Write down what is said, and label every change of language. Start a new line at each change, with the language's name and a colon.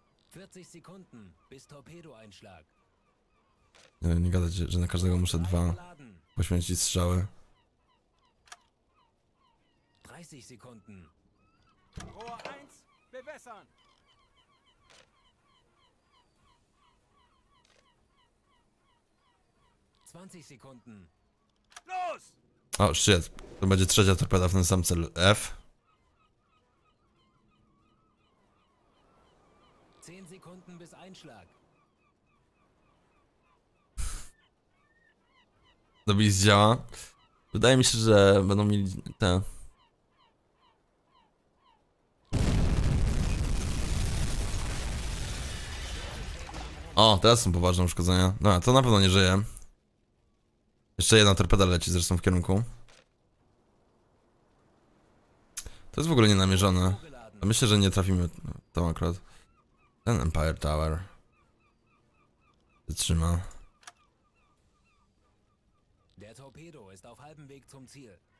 German: 40 Sekunden bis Torpedoeinschlag.
Polish: Nie gadać, że na każdego muszę dwa poświęcić strzały.
German: 30 Sekunden. Rohr 1 bewässern. 20 Sekunden. Los!
English: O, shit.
Polish: To będzie trzecia torpeda w ten sam cel. F.
German: 10 Sekunden bis Einschlag.
Polish: To by zdziała. Wydaje mi się, że będą mieli te. O, teraz są poważne uszkodzenia. No, to na pewno nie żyje. Jeszcze jedna torpeda leci zresztą w kierunku. To jest w ogóle nienamierzone. Myślę, że nie trafimy tam akurat. Ten Empire Tower wytrzyma.
German: Der Torpedo ist auf halbem Weg zum Ziel.